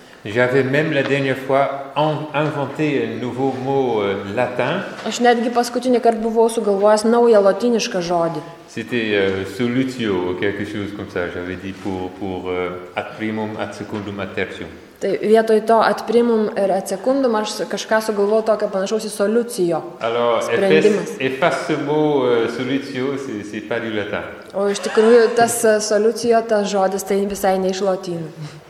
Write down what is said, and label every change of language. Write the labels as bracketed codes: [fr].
[fr] J'avais même la dernière fois inventé un nouveau mot latin. [lt] Aš netgi paskutinį kartą buvau sugalvojęs naują lotynišką žodį. [fr] C'était solutio, quelque chose comme ça, j'avais dit pour ad primum, ad secundum, ad tertium. [lt] Tai vietoj to ad primum ir ad secundum aš kažką sugalvojau tokio panašaus į solucijo sprendimas. O iš tikrųjų tas solucijo, tas žodis, tai visai ne iš lotynų.